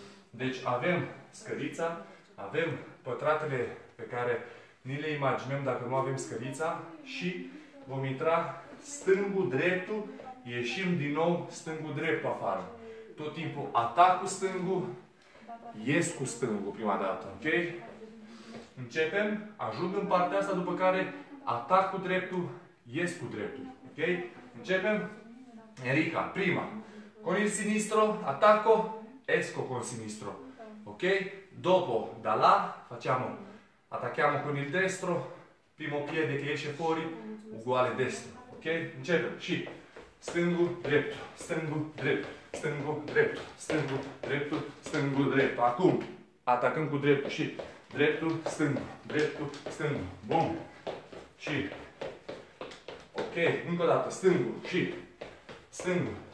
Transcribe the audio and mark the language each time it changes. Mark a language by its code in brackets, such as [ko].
[ro] Deci avem scărița, avem pătratele pe care ni le imaginăm dacă nu avem scărița și vom intra stângul dreptul, ieșim din nou stângul drept afară. Tot timpul atac cu stângul, ies cu stângul prima dată, ok? Începem, ajung în partea asta, după care atac cu dreptul, ies cu dreptul, ok? Începem, Erika, prima. [it] Con il sinistro, attacco, esco con sinistro. Ok? Dopo, da là, facciamo, attacchiamo con il destro, primo piede che esce fuori, uguale destro. [ro] Ok? Incepem. Și, stângu, dreptu, stângu, dreptu, stângu, dreptu, stângu, dreptu, stângu, dreptu. Acum, atacăm cu dreptu și dreptu, stângu, dreptu, stângu. Bun. Și, ok, încă o dată, stângu și stângu.